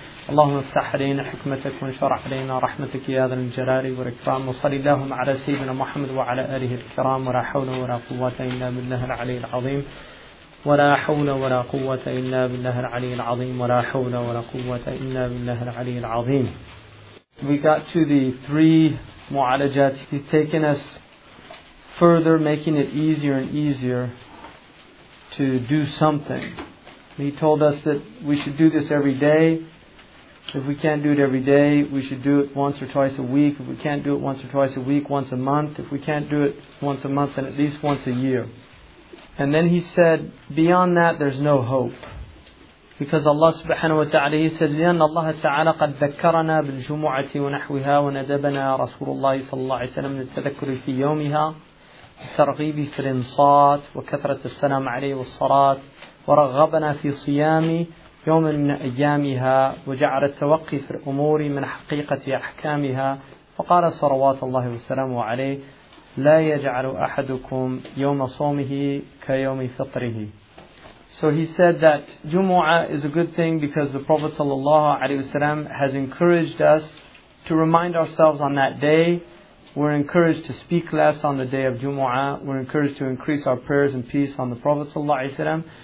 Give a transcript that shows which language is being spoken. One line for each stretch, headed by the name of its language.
Arabic: اللهم افتح علينا حكمتك وانشر علينا رحمتك يا ذا الجلال والإكرام. وصل اللهم على سيدنا محمد وعلى آله الكرام. ولا حول ولا قوة إلا بالله العلي العظيم. ولا حول ولا قوة إلا بالله العلي العظيم. ولا حول ولا قوة إلا بالله العلي العظيم.
English: We got to the three mu'alajat. He's taken us further, making it easier and easier to do something. He told us that we should do this every day. If we can't do it every day, we should do it once or twice a week. If we can't do it once or twice a week, once a month. If we can't do it once a month, then at least once a year. And then he said, beyond that, there's no hope. Because Allah subhanahu wa ta'ala, he says,
Arabic: لِأَنَّ اللَّهَ تَعَالَى قَدْ ذَكَّرَنَا بِالْجُمُعَةِ وَنَحْوِهَا وَنَدَبَنَا رَسُولُ اللَّهِ صَلَّى اللَّهِ عَلَيْهِ وَسَلَّمَ لِلتَذَكُّرِ فِي يَوْمِهَا وَالتَّرْغِيبِ فِي الْإِنْصَاتِ وَكَثْرَةِ السَّلَامِ عَلَيْهِ وَالصَّلَاةِ وَرَغَّبَنَا فِي صِيَامِ يَوْمٍ مِنْ أَيَّامِهَا وَجَعَلَ التَّوَقِّي فِي الْأُمُورِ مِنْ حَقِيقَةِ أَحْكَامِهَا فَقَالَ صَلَوَاتُ اللَّهِ وَسَلَامُهُ عَلَيْهِ لا يجعل أحدكم يوم صومه كيوم فطره.
English: So he said that Jumu'ah is a good thing because the Prophet sallallahu alaihi wasallam has encouraged us to remind ourselves on that day. We're encouraged to speak less on the day of Jumu'ah. We're encouraged to increase our prayers and peace on the Prophet sallallahu alaihi wasallam.